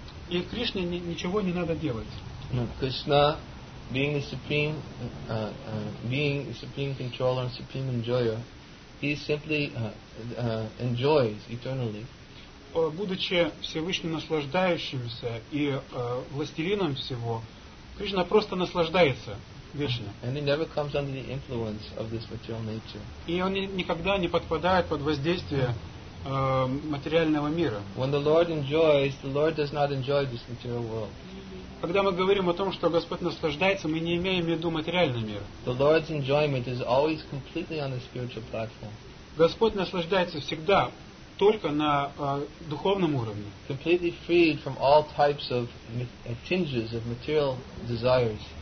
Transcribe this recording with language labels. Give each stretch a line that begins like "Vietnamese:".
Russian: И Кришне ничего не надо делать.
English: Krishna, being the supreme, being the supreme controller and supreme enjoyer, he simply enjoys eternally.
Russian: Будучи Всевышним наслаждающимся и властелином всего, Кришна просто наслаждается вечно.
English: And he never comes under the influence of this material nature.
Russian: И он никогда не подпадает под воздействие материального мира.
English: When the Lord enjoys, the Lord does not enjoy this material world.
Russian: Когда мы говорим о том, что Господь наслаждается, мы не имеем в виду материальный мир.
English: The Lord's enjoyment is always completely on the spiritual platform.
Russian: Господь наслаждается всегда только на духовном уровне.
English: Completely freed from all types of tinges of material desires.